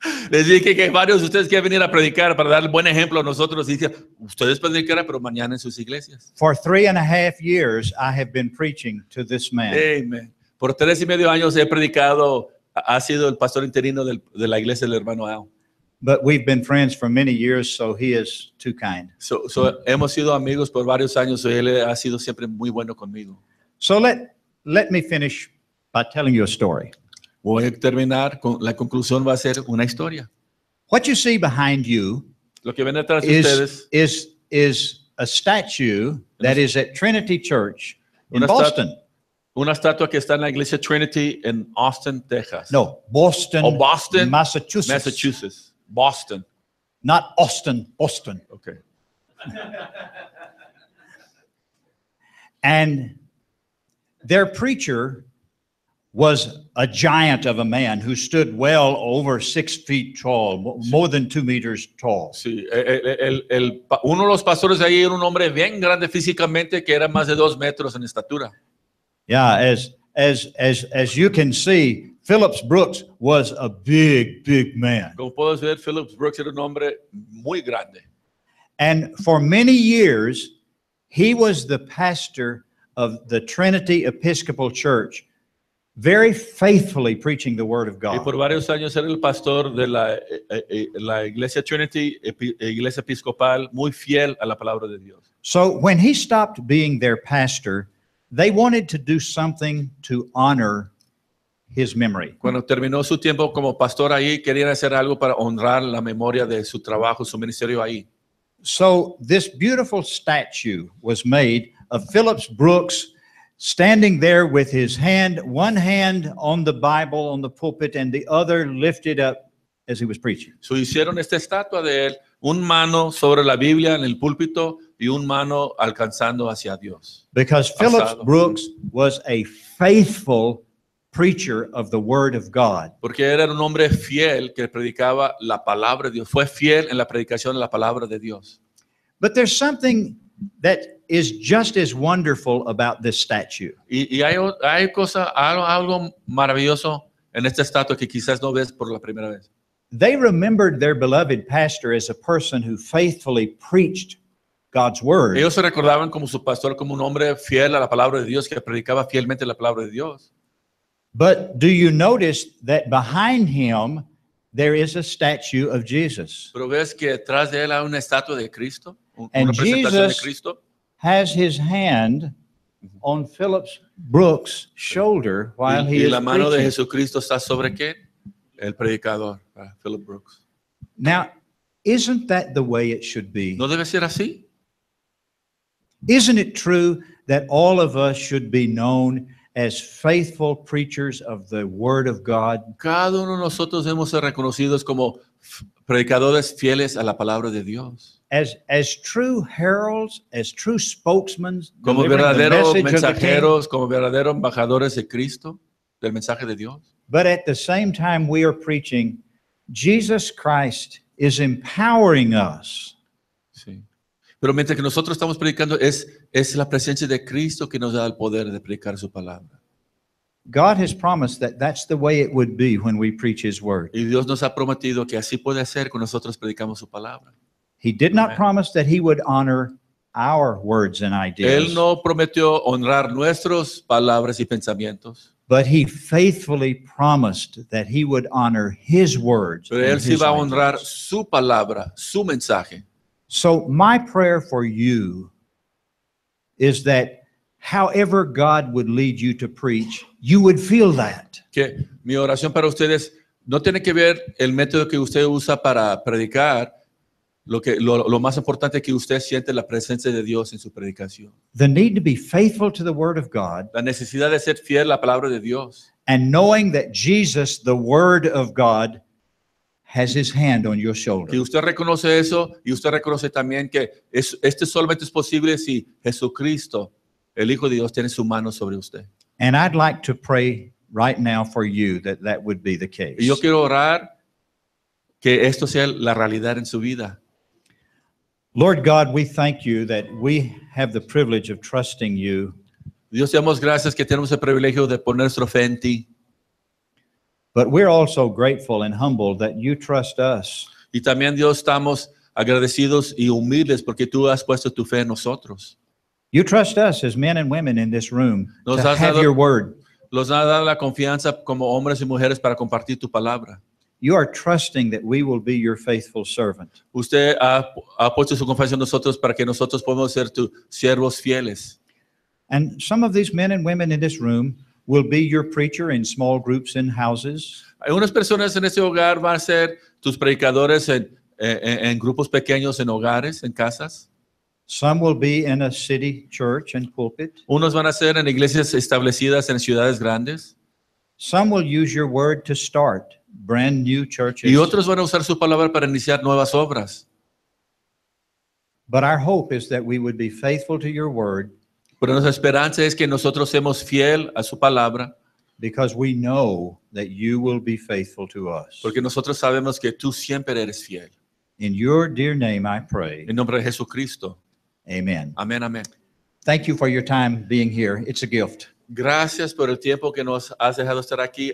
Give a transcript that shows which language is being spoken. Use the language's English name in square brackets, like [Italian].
[Spanish] Les dije que varios de ustedes quieren venir a predicar para dar el buen ejemplo a nosotros. Dice, ustedes pueden predicar, pero mañana en sus iglesias. [English] For 3.5 years, I have been preaching to this man. [Spanish] Amen. Por 3.5 años he predicado. Ha sido el pastor interino de la iglesia del hermano Al. [English] But we've been friends for many years, so he is too kind. [Spanish] So hemos sido amigos por varios años, y él ha sido siempre muy bueno conmigo. [English] So let me finish by telling you a story. [Spanish] Voy a terminar con la conclusión, va a ser una historia. [English] What you see behind you [Spanish] lo que ven detrás de ustedes [English] is a statue that is at Trinity Church in Boston. [Spanish] Una estatua que está en la iglesia Trinity en Austin, Texas. [English] No, Boston. Oh, Boston, Massachusetts. Massachusetts. Boston. Not Austin, Boston. Okay. And their preacher was a giant of a man who stood well over 6 feet tall, more than 2 meters tall. [Spanish] Sí, uno de los pastores ahí era un hombre bien grande físicamente que era más de 2 metros en estatura. [English] Yeah, as you can see, Phillips Brooks was a big, big man. [Spanish] Como puedes ver, Phillips Brooks era un hombre muy grande. [English] And for many years, he was the pastor of the Trinity Episcopal Church, very faithfully preaching the Word of God. [Spanish] Y por varios años era el pastor de la Iglesia Trinity, Iglesia Episcopal, muy fiel a la palabra de Dios. [English] So when he stopped being their pastor, they wanted to do something to honor his memory. [Spanish] Cuando terminó su tiempo como pastor ahí, querían hacer algo para honrar la memoria de su trabajo, su ministerio ahí. [English] So this beautiful statue was made of Phillips Brooks standing there with his hand, one hand on the Bible, on the pulpit, and the other lifted up as he was preaching. [Spanish] So hicieron esta estatua de él, un mano sobre la Biblia en el púlpito, y un mano alcanzando hacia Dios. [English] Because Phillips Brooks was a faithful preacher of the Word of God. [Spanish] Porque era un hombre fiel que predicaba la palabra de Dios. Fue fiel en la predicación de la palabra de Dios. [English] But there's something that is just as wonderful about this statue. [Spanish] Y hay cosa, algo maravilloso en esta estatua que quizás no ves por la primera vez. [English] They remembered their beloved pastor as a person who faithfully preached God's word. [Spanish] Ellos se recordaban como su pastor como un hombre fiel a la palabra de Dios que predicaba fielmente la palabra de Dios. [English] But do you notice that behind him there is a statue of Jesus? [Spanish] ¿Pero ves que detrás de él hay una estatua de Cristo? Una representación de Cristo. [English] Has his hand on Philip Brooks' shoulder while he is preaching. [Spanish] ¿Y la mano de Jesucristo está sobre qué? El predicador, Philip Brooks. [English] Now, isn't that the way it should be? [Spanish] ¿No debe ser así? [English] Isn't it true that all of us should be known as faithful preachers of the Word of God? [Spanish] Cada uno de nosotros debemos ser reconocidos como predicadores fieles a la palabra de Dios. [English] As true heralds, as true spokesmen, [Spanish] como verdaderos mensajeros, como verdaderos embajadores de Cristo, del mensaje de Dios. [English] But at the same time we are preaching, Jesus Christ is empowering us. [Spanish] Sí. Pero mientras que nosotros estamos predicando, es la presencia de Cristo que nos da el poder de predicar su palabra. [English] God has promised that that's the way it would be when we preach his word. [Spanish] Y Dios nos ha prometido que así puede ser cuando nosotros predicamos su palabra. [English] He did not promise that he would honor our words and ideas. [Spanish] Él no prometió honrar nuestras palabras y pensamientos. [English] But he faithfully promised that he would honor his words. [Spanish] Pero él sí va a honrar su palabra, su mensaje. [English] So my prayer for you is that however God would lead you to preach, you would feel that. [Spanish] Que mi oración para ustedes no tiene que ver el método que usted usa para predicar. Lo más importante es que usted siente la presencia de Dios en su predicación. [English] The need to be faithful to the word of God. [Spanish] La necesidad de ser fiel a la palabra de Dios. [English] And knowing that Jesus, the word of God, has his hand on your shoulder. [Spanish] Que usted reconoce eso y usted reconoce también que esto solamente es posible si Jesucristo, el Hijo de Dios, tiene su mano sobre usted. [English] And I'd like to pray right now for you that would be the case. [Spanish] Y yo quiero orar que esto sea la realidad en su vida. [English] Lord God, we thank you that we have the privilege of trusting you. [Spanish] Dios, damos gracias que tenemos el privilegio de poner nuestra fe en ti. [English] But we're also grateful and humble that you trust us. [Spanish] Y también, Dios, estamos agradecidos y humildes porque tú has puesto tu fe en nosotros. [English] You trust us as men and women in this room [Spanish] nos [English] to have [Spanish] dado, [English] your word. [Spanish] Nos has dado la confianza como hombres y mujeres para compartir tu palabra. [English] You are trusting that we will be your faithful servant. [Spanish] Usted ha puesto su confianza en nosotros para que nosotros podamos ser tus siervos fieles. [English] And some of these men and women in this room will be your preacher in small groups in houses. [Spanish] Algunas personas en este hogar van a ser tus predicadores en grupos pequeños en hogares, en casas. [English] Some will be in a city church and pulpit. [Spanish] Unos van a ser en iglesias establecidas en ciudades grandes. [English] Some will use your word to start brand new churches. [Spanish] Y otros van a usar su palabra para iniciar nuevas obras. [English] But our hope is that we would be faithful to your word. [Spanish] Pero nuestra esperanza es que nosotros seamos fiel a su palabra. [English] Because we know that you will be faithful to us. [Spanish] Porque nosotros sabemos que tú siempre eres fiel. [English] In your dear name I pray. [Spanish] En nombre de Jesucristo. [English] Amen. [Spanish] Amén, amén. [English] Thank you for your time being here. It's a gift. [Spanish] Gracias por el tiempo que nos has dejado estar aquí.